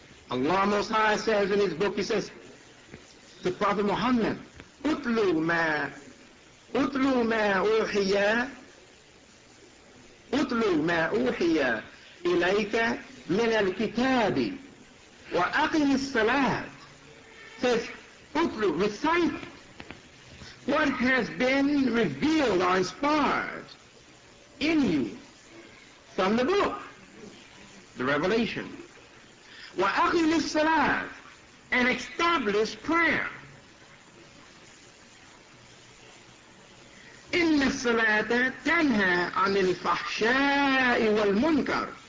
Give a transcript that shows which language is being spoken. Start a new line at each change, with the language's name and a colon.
English: Allah Most High says in his book, he says, the Prophet Muhammad,
Arabic: Utlu ma uhiya. اطلو ما اوحي اليك من الكتاب واقم الصلاه.
English: Says, اطلو, recite what has been revealed or inspired in you from the book, the revelation.
Arabic: واقم الصلاه,
English: and establish prayer.
Arabic: إن الصلاة تنهى عن الفحشاء والمنكر.